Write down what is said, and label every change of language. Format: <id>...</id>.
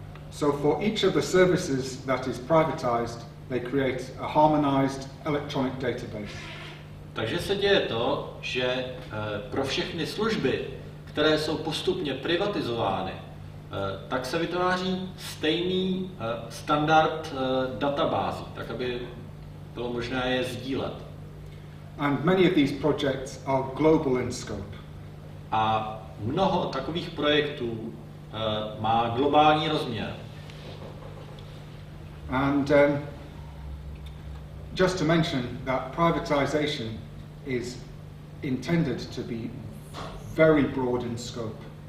<en>So for each of the services that is privatized, they create a harmonized electronic database.</en> <cs>Takže se děje to, že pro všechny služby, které jsou postupně privatizovány, tak se vytváří stejný standard databází, tak aby bylo možné je sdílet.</cs> <en>And many of these projects are global in scope.</en> <cs>A mnoho takových projektů má globální rozměr.</cs> <en>And just to mention that privatization is intended to be very broad in scope.</en>